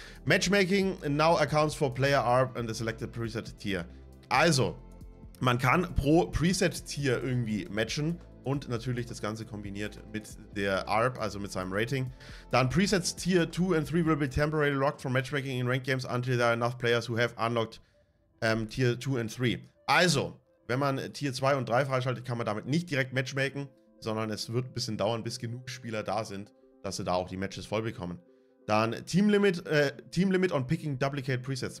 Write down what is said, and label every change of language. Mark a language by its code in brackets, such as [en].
[en] Matchmaking now accounts for player ARP and the selected preset tier. [de] Also, man kann pro Preset Tier irgendwie matchen und natürlich das Ganze kombiniert mit der ARP, also mit seinem Rating. [en] Dann Presets Tier 2 and 3 will be temporarily locked from matchmaking in Ranked Games until there are enough players who have unlocked Tier 2 and 3. [de] Also, wenn man Tier 2 und 3 freischaltet, kann man damit nicht direkt matchmaken, sondern es wird ein bisschen dauern, bis genug Spieler da sind, dass sie da auch die Matches voll bekommen. [en] Dann Team Limit on picking duplicate presets.